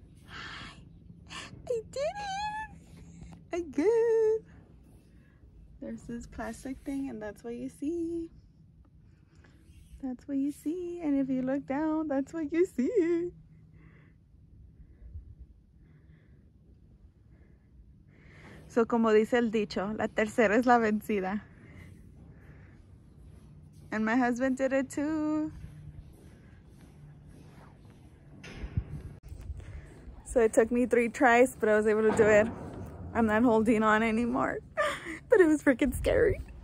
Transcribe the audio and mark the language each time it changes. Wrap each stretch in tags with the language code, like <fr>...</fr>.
<en>I did it! Again! There's this plastic thing, and that's what you see. That's what you see, and if you look down, that's what you see.</en> <es>So, como dice el dicho, la tercera es la vencida.</es> <en>And my husband did it too. So it took me 3 tries, but I was able to do it. I'm not holding on anymore, but it was freaking scary.</en>